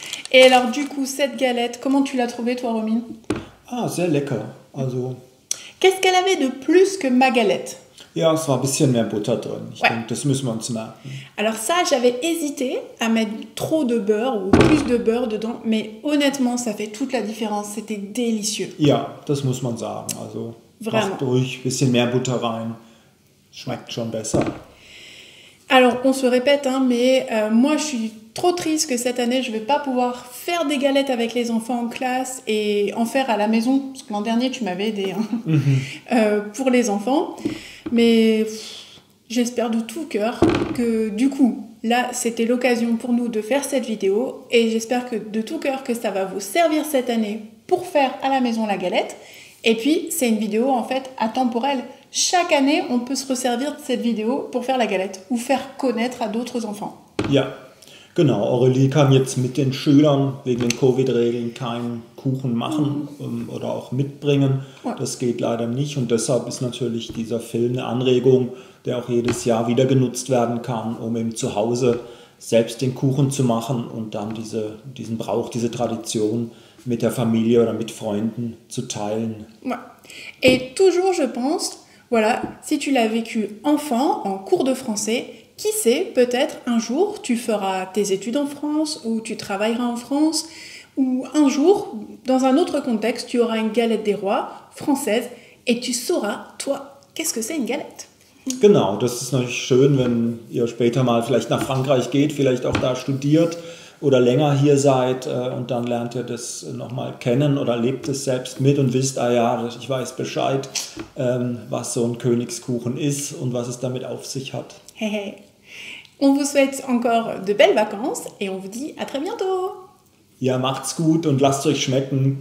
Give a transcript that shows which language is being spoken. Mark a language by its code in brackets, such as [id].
[fr] Et alors, du coup, cette galette, comment tu l'as trouvée, toi, Romine? [de] Ah, sehr lecker. Also, [fr] qu'est-ce qu'elle avait de plus que ma galette? [de] Ja, es war ein bisschen mehr Butter drin. Ich denke, das müssen wir uns merken. [fr] Alors ça, j'avais hésité à mettre trop de beurre ou plus de beurre dedans, mais honnêtement, ça fait toute la différence. C'était délicieux. [de] Ja, das muss man sagen. Also, [fr] vraiment. [de] Mach durch, ein bisschen mehr Butter rein. Schmeckt schon besser. [fr] Alors, on se répète, hein, mais moi, je suis trop triste que cette année, je ne vais pas pouvoir faire des galettes avec les enfants en classe et en faire à la maison, parce que l'an dernier, tu m'avais aidé, hein, pour les enfants. Mais j'espère de tout cœur que, du coup, là, c'était l'occasion pour nous de faire cette vidéo et j'espère que de tout cœur que ça va vous servir cette année pour faire à la maison la galette. Et puis, c'est une vidéo en fait atemporelle. Chaque année, on peut se resservir de cette vidéo pour faire la galette ou faire connaître à d'autres enfants. [de] Ja, genau. Aurélie kann jetzt mit den Schülern wegen den Covid-Regeln keinen Kuchen machen oder auch mitbringen. Ja. Das geht leider nicht. Und deshalb ist natürlich dieser Film eine Anregung, der auch jedes Jahr wieder genutzt werden kann, um eben zu Hause selbst den Kuchen zu machen und dann diesen Brauch, diese Tradition mit der Familie oder mit Freunden zu teilen. Ja. [fr] Et toujours, je pense, voilà, si tu l'as vécu enfant en cours de français, qui sait, peut-être un jour tu feras tes études en France ou tu travailleras en France ou un jour, dans un autre contexte, tu auras une galette des rois française et tu sauras, toi, qu'est-ce que c'est une galette. [de] Genau, das ist natürlich schön, wenn ihr später mal vielleicht nach Frankreich geht, vielleicht auch da studiert oder länger hier seid und dann lernt ihr das nochmal kennen oder lebt es selbst mit und wisst, ah ja, ich weiß Bescheid, was so ein Königskuchen ist und was es damit auf sich hat. Hey, hey. [fr] On vous souhaite encore de belles vacances et on vous dit à très bientôt. [de] Ja, macht's gut und lasst euch schmecken.